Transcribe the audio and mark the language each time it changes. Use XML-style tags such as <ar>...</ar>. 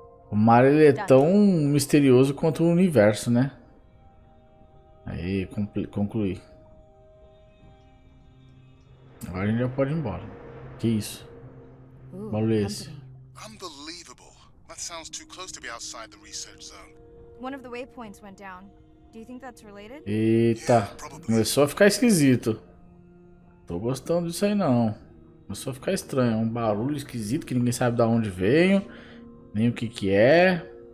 <pt>O mar, ele é tão misterioso quanto o universo, né? Aí, concluí. Agora a gente já pode ir embora. Que isso? Que barulho é esse?</pt> <en>Unbelievable. That sounds too close to be outside the research zone. One of the waypoints went down. Do you think that's related?</en> <pt>Eita, começou a ficar esquisito. Tô gostando disso aí não. Começou a ficar estranho, um barulho esquisito que ninguém sabe de onde veio, nem o que que é.</pt>